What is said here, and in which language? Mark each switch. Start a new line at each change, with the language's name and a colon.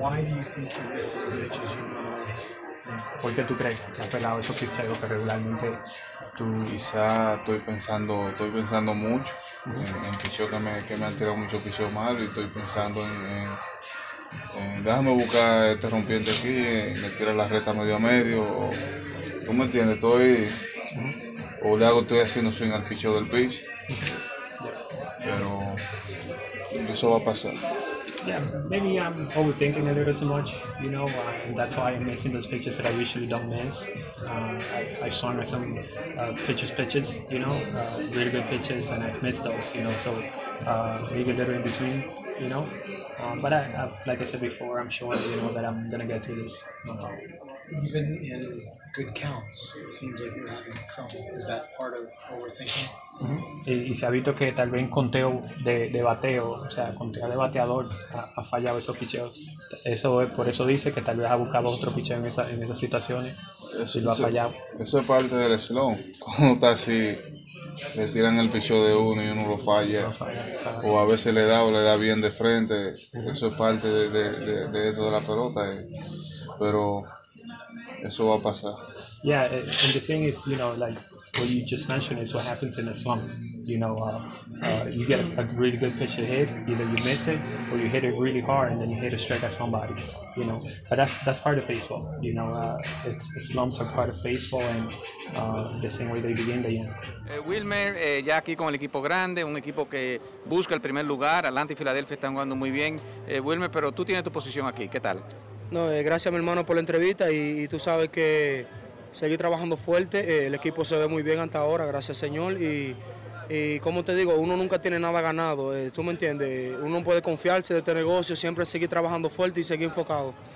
English: Why do you think you miss the pitches you know?
Spanish: ¿Por qué tú crees que has pelado esos pitchers que regularmente tú...? Quizá estoy pensando mucho en pitchers que me han tirado muchos pitchers malos, y estoy pensando en déjame buscar este rompiente aquí, me tira la recta medio a medio, o, tú me entiendes, estoy haciendo swing al pitcher del pitch, pero eso va a pasar.
English: Yeah, maybe I'm overthinking a little too much, you know, and that's why I'm missing those pitches that I usually don't miss. I've swung at some pitches, you know, really good pitches, and I've missed those, you know, so maybe a little in between, you know. But I, like I said before, I'm sure, you know, that I'm going to get through this. Even in good counts, it seems like you're having trouble. Is that part of overthinking?
Spanish: Y se ha visto que tal vez conteo de bateo, o sea, conteo de bateador, ha fallado esos picheos. Eso es, por eso dice que tal vez ha buscado otro picheo en esas situaciones y lo ha fallado. Eso es parte del slow. Cuando está así, le tiran el picheo de uno y uno lo falla. O a veces le da bien de frente. Eso es parte de eso de la pelota. Pero eso va a pasar.
English: Yeah, and the thing is, you know, like what you just mentioned is what happens in a slump. You know, you get a really good pitch to hit, either you miss it or you hit it really hard and then you hit a strike at somebody, you know. But that's part of baseball, you know. Slumps are part of baseball, and the same way they begin, they end.
Spanish: Wilmer, ya aquí con el equipo grande, un equipo que busca el primer lugar. Atlanta y Filadelfia están jugando muy bien. Wilmer, pero tú tienes tu posición aquí, ¿qué tal? No, gracias, mi hermano, por la entrevista, y tú sabes que seguir trabajando fuerte, el equipo se ve muy bien hasta ahora, gracias, señor, y como te digo, uno nunca tiene nada ganado, tú me entiendes, uno puede confiarse de este negocio, siempre seguir trabajando fuerte y seguir enfocado.